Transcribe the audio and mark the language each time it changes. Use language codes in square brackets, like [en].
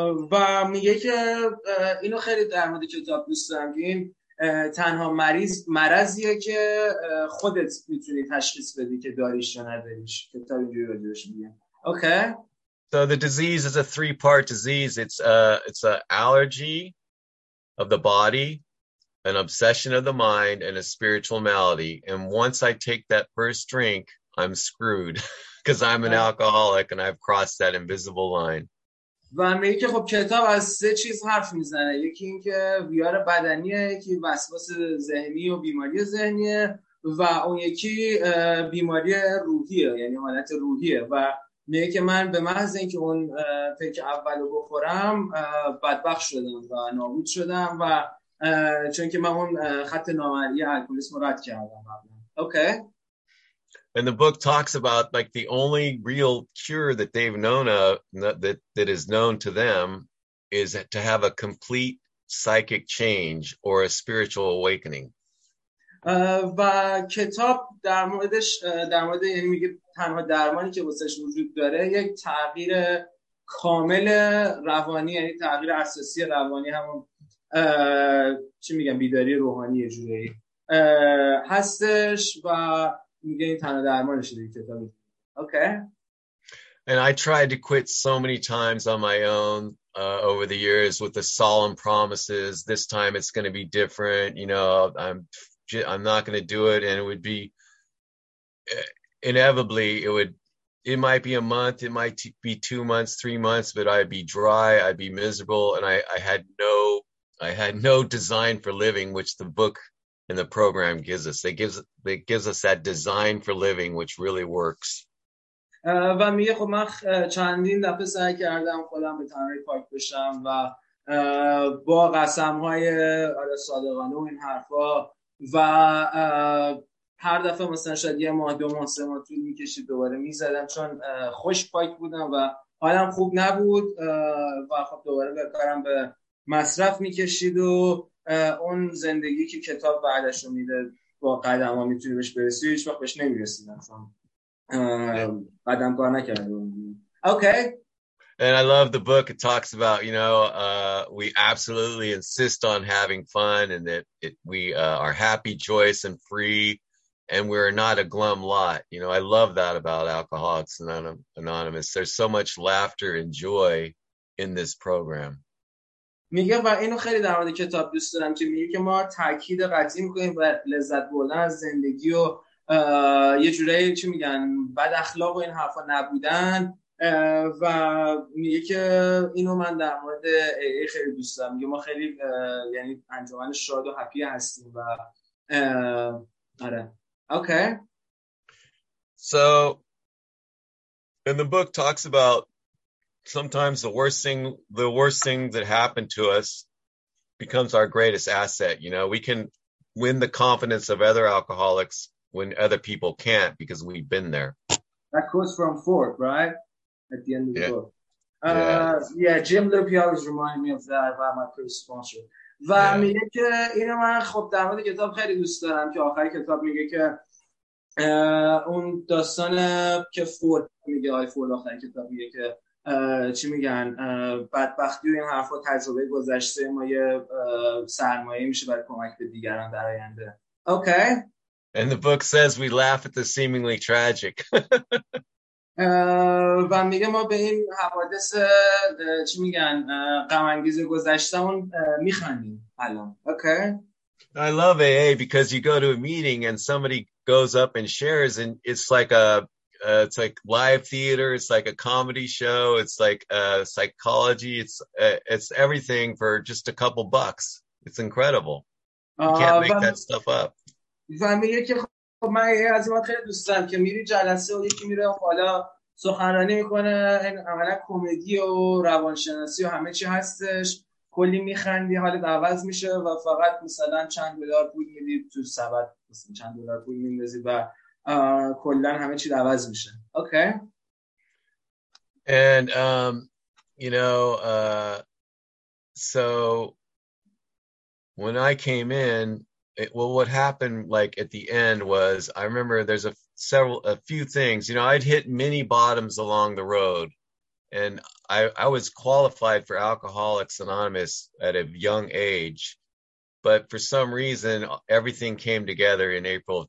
[fa] و میگه که اینو خیلی در مورد کتاب دوست دارم که این تنها مریض مرضیه که خودت میتونی تشخیص بدی که داریش یا نداریش. کتاب اینجوری راجعش میگه. اوکی. [en] So the disease is a three-part disease. It's a allergy of the body, an obsession of the mind, and a spiritual malady. And once I take that first drink, I'm screwed because I'm an alcoholic and I've crossed that invisible line. [fa] و میگه که خب کتاب از سه چیز حرف میزنه. یکی این که ویار بدنیه، یکی وسواس ذهنی و بیماری ذهنیه و اون یکی بیماری روحیه، یعنی حالت روحیه و میگه که من به محض اینکه اون تک اولو بخورم بدبخت شدم و نابود شدم و چون که من اون خط نامرئی الکلیسم رد کردم قبلا. اوکی. [en] And the book talks about like the only real cure that they've known of that is known to them is to have a complete psychic change or a spiritual awakening. [fa] و کتاب در موردش در مورد یعنی میگه تنها درمانی که واسش وجود داره یک تغییر کامل روانی یعنی تغییر اساسی روانی همون چی میگم بیداری روحانی یه جوری هستش و میگه این تنها درمانش دیگه کتاب. اوکی. [en] And I tried to quit so many times on my own over the years with the solemn promises this time it's going to be different, you know, I'm not going to do it, and it would be inevitably it might be a month, it might be 2 months, 3 months, but I'd be dry, I'd be miserable, and I had no design for living, which the book and the program gives us. It gives us that design for living, which really works. [fa] و میگه خب من چندین دفعه سعی کردم خودم به تنهایی پاک بشم و با قسم های صادقانه و این حرفا و هر دفعه مثلا شاید یه ماه دو ماه سه ماه طول میکشید دوباره میزدم چون خوش پاک بودم و حالم خوب نبود و خب دوباره به کارم به مصرف میکشید و اون زندگی که کتاب بعدش رو میده با قدم ها میتونی بهش برسید هیچ وقت بهش نمیرسیدم چون قدم کار نکردم. اوکی. [en] And I love the book. It talks about, you know, we absolutely insist on having fun and that we are happy, joyous, and free, and we're not a glum lot. You know, I love that about Alcoholics Anonymous. There's so much laughter and joy in this program. [fa] میگه و اینو خیلی در مورد کتاب دوست دارم که میگه که ما تاکید قطعی میکنیم و لذت بردن از زندگی و یه جوری چی میگن بد اخلاق و این حرفا نبودن. و میگه که اینو من در مورد ای خیلی دوست دارم، میگه ما خیلی یعنی انجمن شاد و هپی هستیم و آره. اوکی. [en] So in the book talks about sometimes the worst thing that happened to us becomes our greatest asset. You know, we can win the confidence of other alcoholics when other people can't because we've been there. That quotes from Ford, right? At the end of the book. Jim Lupi always remind me of that by my first sponsor. [fa] و میگه که اینو من خب در مورد کتاب خیلی دوست دارم که آخر کتاب میگه که اون داستان که فورد میگه آی فورد آخر کتاب میگه که چی میگن بدبختی و این حرفا تجربه گذشته ما یه سرمایه میشه برای کمک به دیگران در آینده. اوکی. [en] And the book says we laugh at the seemingly tragic. [fa] و میگه ما به این حوادث چی میگن غم انگیز گذشتمون میخندیم الان. اوکی. [en] I love AA because you go to a meeting and somebody goes up and shares and it's like a it's like live theater, it's like a comedy show, it's like psychology, it's everything for just a couple bucks. It's incredible. You can't make that stuff up. [fa] زمینه که خب من یه از این خیلی دوست دارم که میری جلسه و یکی میره حالا سخنرانی میکنه این عملا کمدی و روانشناسی و همه چی هستش کلی میخندی حال عوض میشه و فقط مثلا چند دلار پول میدی تو سبد مثلا چند دلار پول میندازی و کلا همه چی عوض میشه. اوکی. [en] And you know so when I came in what happened like at the end was I remember there's a few things, you know, I'd hit many bottoms along the road and I was qualified for Alcoholics Anonymous at a young age, but for some reason everything came together in April of